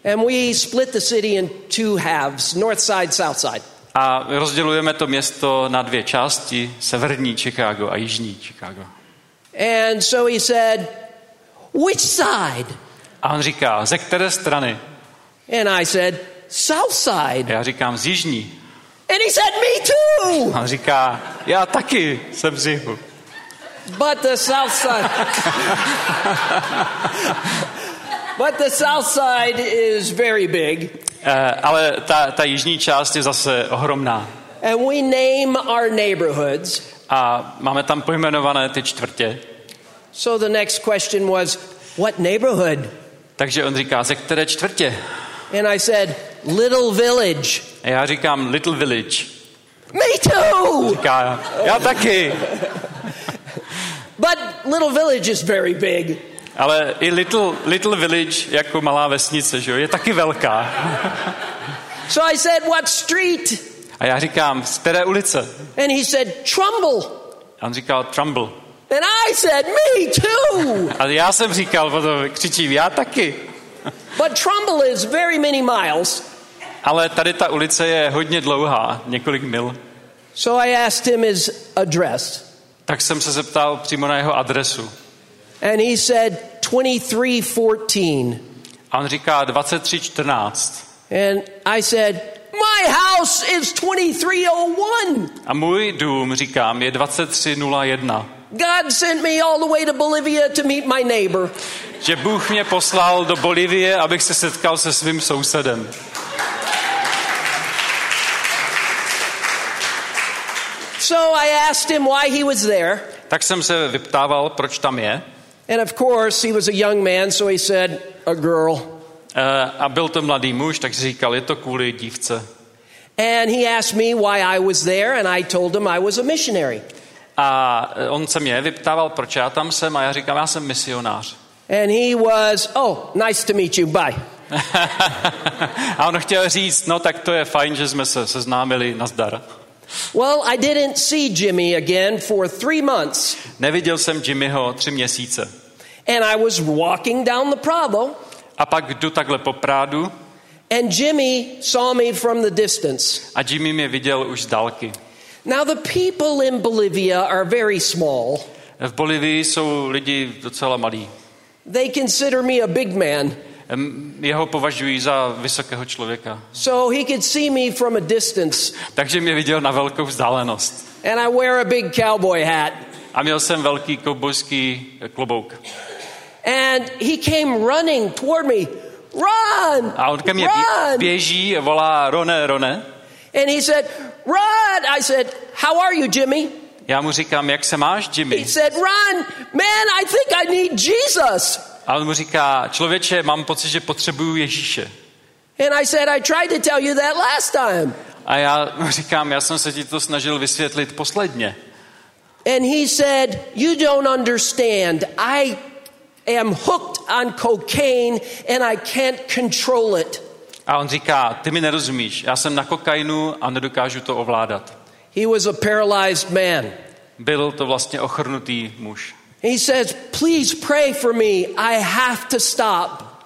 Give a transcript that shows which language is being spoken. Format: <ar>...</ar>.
<en>And we split the city in two halves, north side, south side.</en> <cs>A rozdělujeme to město na dvě části, severní Chicago a jižní Chicago.</cs> <en>And so he said, "Which side?"</en> <cs>A on říká, ze které strany?</cs> <en>And I said, "South side."</en> <cs>Já říkám, z jižní.</cs> <en>And he said, "Me too."</en> <cs>A on říká, já taky jsem z jihu.</cs> <en>But the south side. But the south side is very big.</en> <cs>Ale ta jižní část je zase ohromná.</cs> <en>And we name our neighborhoods.</en> <cs>A máme tam pojmenované ty čtvrtě.</cs> <en>So the next question was, what neighborhood?</en> <cs>Takže on říká, ze které čtvrtě?</cs> <en>And I said, Little Village.</en> <cs>A já říkám Little Village.</cs> <en>Me too.</en> <cs>Říká, já taky.</cs> <en>But Little Village is very big.</en> <cs>Ale i little village, jako malá vesnice, že jo, je taky velká.</cs> <en>So I said, what street?</en> <cs>A já říkám, z které ulice?</cs> <en>And he said, Trumbull.</en> <cs>A on říkal, Trumbull.</cs> <en>And I said, me too.</en> <cs>A já jsem říkal, potom křičím, já taky.</cs> <en>But Trumbull is very many miles.</en> <cs>Ale tady ta ulice je hodně dlouhá, několik mil.</cs> <en>So I asked him his address.</en> <cs>Tak jsem se zeptal přímo na jeho adresu.</cs> <en>And he said 2314.</en> <cs>A on říká 2314.</cs> <en>And I said, my house is 2301.</en> <cs>A můj dům, říkám, je 2301.</cs> <en>God sent me all the way to Bolivia to meet my neighbor.</en> <cs>Že Bůh mě poslal do Bolivie, abych se setkal se svým sousedem.</cs> <en>So I asked him why he was there.</en> <cs>Tak jsem se vyptával, proč tam je.</cs> <en>And of course, he was a young man, so he said, a girl.</en> <cs>A byl to mladý muž, tak si říkal, je to kvůli dívce.</cs> <en>And he asked me why I was there, and I told him I was a missionary.</en> <cs>A on se mě vyptával, proč já tam jsem, a já říkám, já jsem misionář.</cs> <en>And he was, oh, nice to meet you, bye.</en> <cs>A on chtěl říct, no tak to je fajn, že jsme se seznámili, nazdar.</cs> <en>Well, I didn't see Jimmy again for 3 months.</en> <cs>Neviděl jsem Jimmyho 3 měsíce.</cs> <en>And I was walking down the Prado.</en> <cs>A pak jdu takhle po Prádu.</cs> <en>And Jimmy saw me from the distance.</en> <cs>A Jimmy mě viděl už z dálky.</cs> <en>Now the people in Bolivia are very small.</en> <cs>V Bolivii jsou lidi docela malí.</cs> <en>They consider me a big man.</en> <cs>Jeho považují za vysokého člověka.</cs> <en>So he could see me from a distance.</en> <cs>Takže mě viděl na velkou vzdálenost.</cs> <en>And I wear a big cowboy hat.</en> <cs>A měl jsem velký kovbojský klobouk.</cs> <en>And he came running toward me. Run!</en> <cs>A on ke mně běží a volá, Rone, Rone.</cs> <en>And he said, run! I said, how are you, Jimmy?</en> <cs>Já mu říkám, jak se máš, Jimmy?</cs> <en>He said, run! Man, I think I need Jesus!</en> <cs>A on mu říká, člověče, mám pocit, že potřebuju Ježíše.</cs> <en>And I said, I tried to tell you that last time.</en> <cs>A já mu říkám, já jsem se ti to snažil vysvětlit posledně.</cs> <en>And he said, you don't understand. I am hooked on cocaine and I can't control it.</en> <cs>A on říká, ty mi nerozumíš, já jsem na kokainu a nedokážu to ovládat.</cs> <en>He was a paralyzed man.</en> <cs>Byl to vlastně ochrnutý muž.</cs> <en>He says, please pray for me, I have to stop.</en>